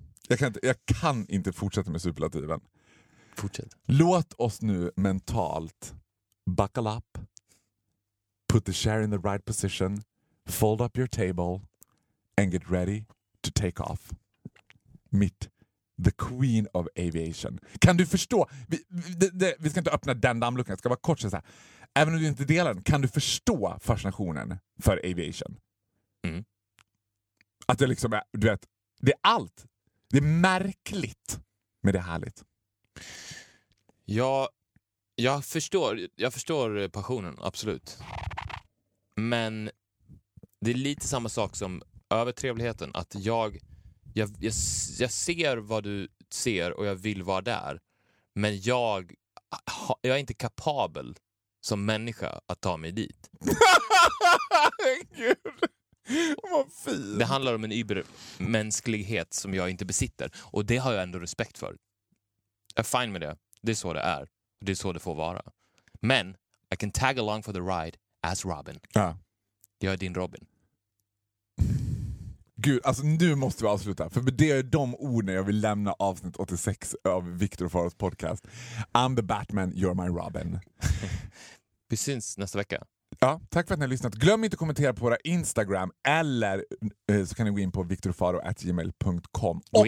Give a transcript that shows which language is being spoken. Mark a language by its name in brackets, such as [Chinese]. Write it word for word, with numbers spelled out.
[Swedish] jag, kan inte, jag kan inte fortsätta med superlativen. Fortsätt. Låt oss nu mentalt [English] buckle up, put the chair in the right position, fold up your table and get ready to take off. [Swedish] Mitt, [English] the queen of aviation. [Swedish] Kan du förstå? Vi, det, det, vi ska inte öppna den dammluckan, det ska vara kort så här. Även om du inte delar den, kan du förstå fascinationen för aviation? Mm. Att det liksom är, du vet, det är allt. Det är märkligt, men det är härligt. Ja, jag förstår, jag förstår passionen, absolut. Men det är lite samma sak som övertrevligheten. Att jag, jag, jag, jag ser vad du ser och jag vill vara där. Men jag, jag är inte kapabel som människa att ta mig dit. Gud, vad fint. Det handlar om en übermänsklighet som jag inte besitter. Och det har jag ändå respekt för. Jag är fine med det. Det är så det är. Det är så det får vara. Men [English] I can tag along for the ride as Robin. [Swedish] Ja. Jag är din Robin. Gud, alltså nu måste vi avsluta. För det är de orden jag vill lämna avsnitt åttiosex av Victor och Faros podcast. [English] I'm the Batman, you're my Robin. [Swedish] Vi syns nästa vecka. Ja, tack för att ni har lyssnat. Glöm inte att kommentera på våra Instagram eller eh, så kan ni gå in på victor faro at gmail dot com och